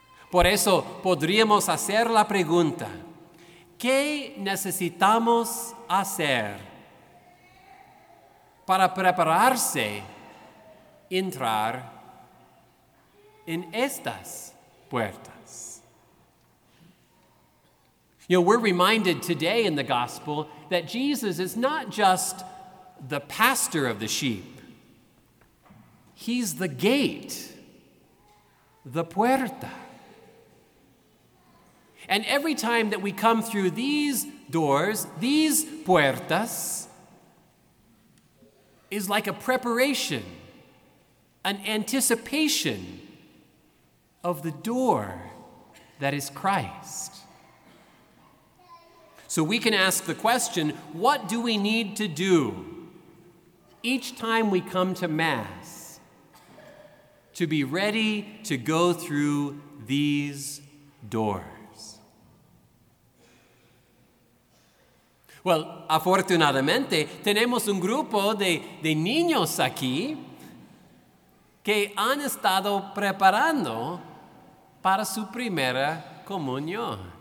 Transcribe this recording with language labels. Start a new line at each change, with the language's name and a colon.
Spanish: Por eso podríamos hacer la pregunta: ¿qué necesitamos hacer para prepararse entrar en estas puertas?
English: You know, we're reminded today in the gospel that Jesus is not just the pastor of the sheep. He's the gate, the puerta. And every time that we come through these doors, these puertas, is like a preparation, an anticipation of the door that is Christ. So we can ask the question, what do we need to do each time we come to Mass to be ready to go through these doors?
Spanish: Well, afortunadamente, tenemos un grupo de niños aquí que han estado preparando para su primera comunión.